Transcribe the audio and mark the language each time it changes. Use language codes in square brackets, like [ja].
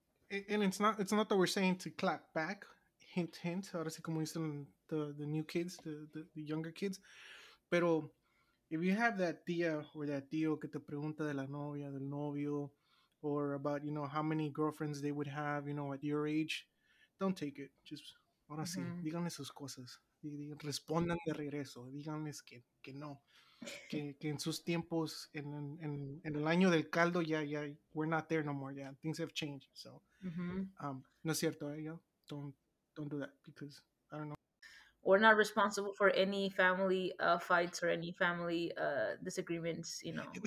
[en] And it's not that we're saying to clap back, hint, hint, [es] ahora sí, como dicen [en] the new kids, the younger kids. [es] Pero [en] if you have that tía or that tío [es] que te pregunta de la novia, del novio, [en] or about, you know, how many girlfriends they would have, you know, at your age, don't take it. Just, [es] ahora sí, díganle sus cosas. Respondan de regreso. Díganles que no. Que en sus tiempos, en el año del caldo, ya, [en] we're not there no more. Yeah, things have changed. So, [es] no es cierto, ¿eh? [en] Don't do that, because I don't know. We're not responsible for any family fights or any family disagreements, you know.